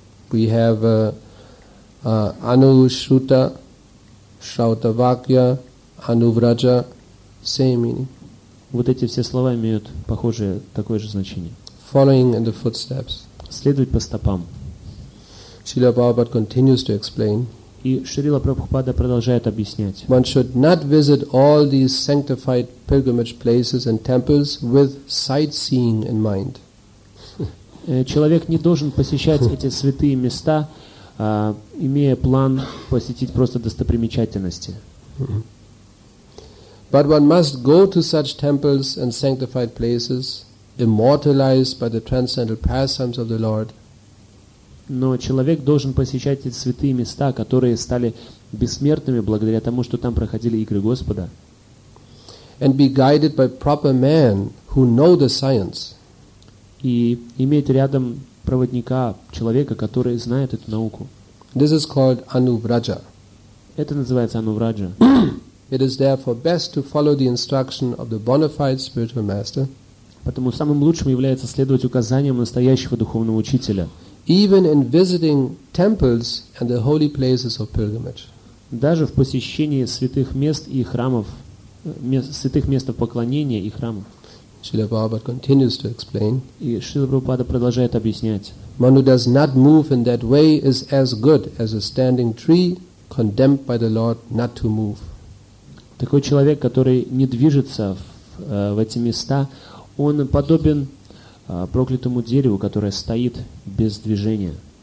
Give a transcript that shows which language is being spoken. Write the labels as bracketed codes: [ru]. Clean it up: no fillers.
[en] We have anushruta, shrautavakya, anuvraja, same meaning. [ru] Вот эти все слова имеют похожее, такое же значение. [en] Following in the footsteps. [ru] Следует по стопам. [en] Srila Prabhupada continues to explain. [ru] И Шрила Прабхупада продолжает объяснять. [en] One should not visit all these sanctified pilgrimage places and temples with sightseeing in mind. [ru] Человек не должен посещать эти святые места, имея план посетить просто достопримечательности. [en] But one must go to such temples and sanctified places immortalized by the transcendental pastimes of the Lord. [ru] Но человек должен посещать эти святые места, которые стали бессмертными благодаря тому, что там проходили игры Господа. [en] And be guided by proper men who know the science. [ru] и иметь рядом проводника, человека, который знает эту науку. [en] This is called anuvraja. [ru] Это называется anuvraja. [en] It is therefore best to follow the instruction of the bona fide spiritual master. [ru] Поэтому самым лучшим является следовать указаниям настоящего духовного учителя. [en] Even in visiting temples and the holy places of pilgrimage. [ru] Даже в посещении святых мест и храмов, святых мест поклонения и храмов. [en] Srila Prabhupada continues to explain. [ru] И Шрила Прабхупада продолжает объяснять. [en] One who does not move in that way is as good as a standing tree condemned by the Lord not to move. [ru] Такой человек, который не движется в эти места, он подобен проклятому дереву, которое стоит без движения.